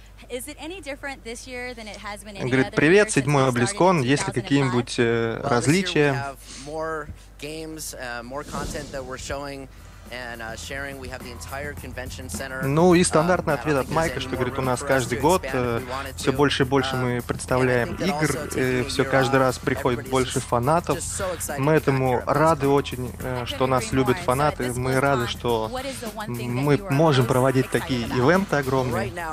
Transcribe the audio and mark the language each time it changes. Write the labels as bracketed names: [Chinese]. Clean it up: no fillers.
[English] Is it any different this year than it has been any other year? [Russian] Привет, седьмой BlizzCon. Есть ли какие-нибудь различия? [English] More games, more content that we're showing and sharing. We have the entire convention center. [Russian] Ну и стандартный ответ от Майка, что говорит, у нас каждый год все больше и больше мы представляем игр, все каждый раз приходит больше фанатов. Мы этому рады очень, что нас любят фанаты. Мы рады, что мы можем проводить такие ивенты огромные.